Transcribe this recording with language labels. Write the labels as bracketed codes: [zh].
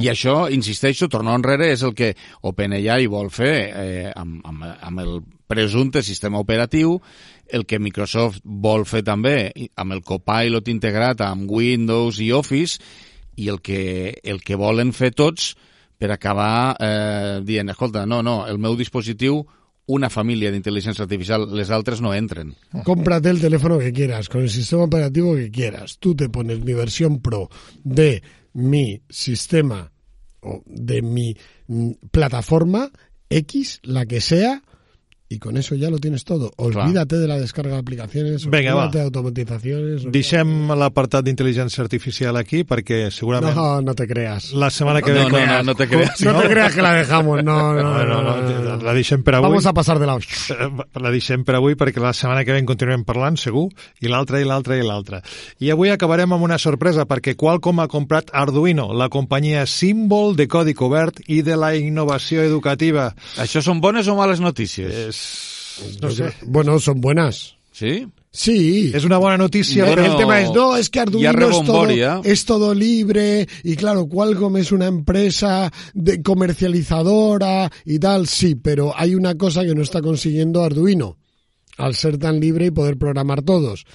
[ca] I això, insisteixo, tornar enrere, és el que OpenAI vol fer amb el presumpte sistema operatiu, el que Microsoft vol fer també amb el Copilot integrat amb Windows i Office, i el que volen fer tots per acabar dient, escolta, no, el meu dispositiu, una família d'intel·ligència artificial, les altres no entren. [es] Cómprate el teléfono que quieras, con el sistema operativo que quieras. Tú te pones mi versión pro de mi sistema o de mi plataforma X, la que sea, y con eso ya lo tienes todo. Olvídate de la descarga de aplicaciones, olvídate de automatizaciones. [ca] Deixem l'apartat d'intel·ligència artificial aquí, perquè segurament... [es] No te creas. [ca] La setmana que ve... [es] No te creas que la dejamos. No. [ca] La deixem per avui. [es] Vamos a pasar de la... [ca] La deixem per avui, perquè la setmana que ve continuem parlant, segur, i l'altra, i l'altra, i l'altra. I avui acabarem amb una sorpresa, perquè Qualcomm ha comprat Arduino, la companyia símbol de codi obert i de la innovació educativa. Això són bones o males notícies? [es] Son buenas. ¿Sí? Sí. Es una buena noticia. Bueno, el tema es, no, es que Arduino es todo libre, y claro, Qualcomm es una empresa de comercializadora y tal, sí, pero hay una cosa que no está consiguiendo Arduino, al ser tan libre y poder programar todos.